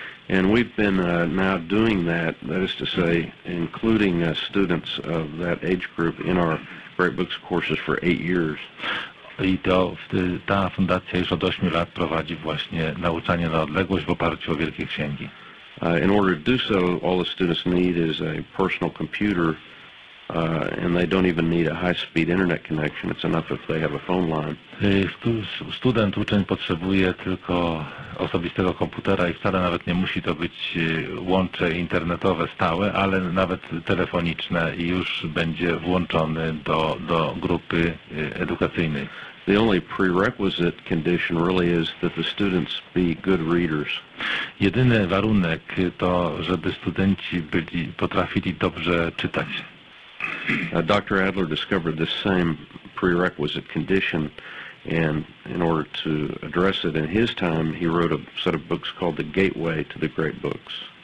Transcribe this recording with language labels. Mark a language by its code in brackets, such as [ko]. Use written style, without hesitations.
[en] And we've been now doing that, that is to say, including students of that age group in our Great Books courses for 8 years. [pl] I to ta fundacja już od 8 lat prowadzi właśnie nauczanie na odległość w oparciu o wielkie księgi. [en] In order to do so, all the students need is a personal computer, and they don't even need a high-speed internet connection. It's enough if they have a phone line. [pl] Student, uczeń potrzebuje tylko osobistego komputera i wcale nawet nie musi to być łącze internetowe stałe, ale nawet telefoniczne, i już będzie włączony do grupy edukacyjnej. [en] The only prerequisite condition really is that the students be good readers. [pl] Jedyny warunek to, żeby studenci potrafili dobrze czytać. [en] Dr. Adler discovered this same prerequisite condition, and in order to address it in his time, he wrote a set of books called The Gateway to the Great Books.